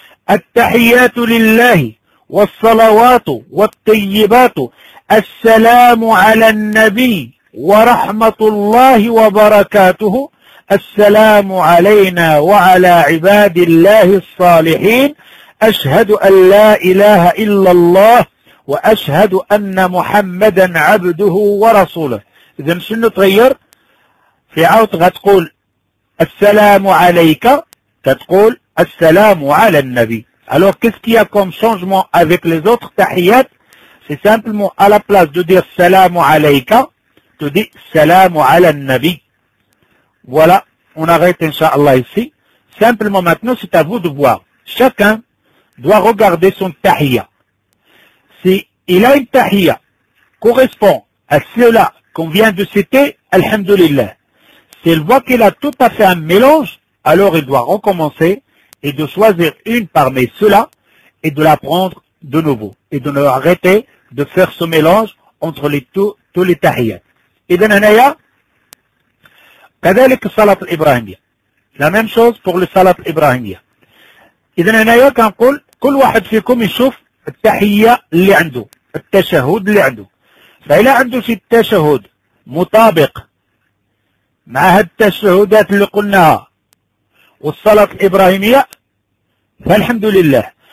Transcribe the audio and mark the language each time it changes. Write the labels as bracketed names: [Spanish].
[Arabic] التحيات لله والصلوات والطيبات، السلام على النبي ورحمة الله وبركاته، السلام علينا وعلى عباد الله الصالحين، أشهد أن لا إله إلا الله وأشهد أن محمدا عبده ورسوله. إذا شنو تغير في عوض؟ غتقول السلام عليك، تقول السلام على النبي. [French] alors qu'est-ce qu'il y a comme changement avec les autres tahiyat؟ c'est simplement à la place de dire السلام عليك تدي السلام على النبي. ولا on arrête ان شاء الله ici. simplement maintenant c'est à vous de voir. chacun doit regarder son tahiyya. si il a une tahiyya correspond à cela qu'on vient de citer, alhamdulillah. s'il voit qu'il a tout à fait un mélange, alors il doit recommencer et de choisir une parmi ceux-là et de la prendre de nouveau et de ne arrêter de faire ce mélange entre les tous les tahiyyat. [Arabic] إذن هنايا كذلك الصلاة الإبراهيمية، لا ميم شوز بور الصلاة الإبراهيمية. إذن هنايا كنقول كل واحد فيكم يشوف التحية اللي عنده، التشهد اللي عنده. فإلا عنده شي تشهد مطابق مع هاد التشهدات اللي قلناها والصلاة الإبراهيمية فالحمد لله.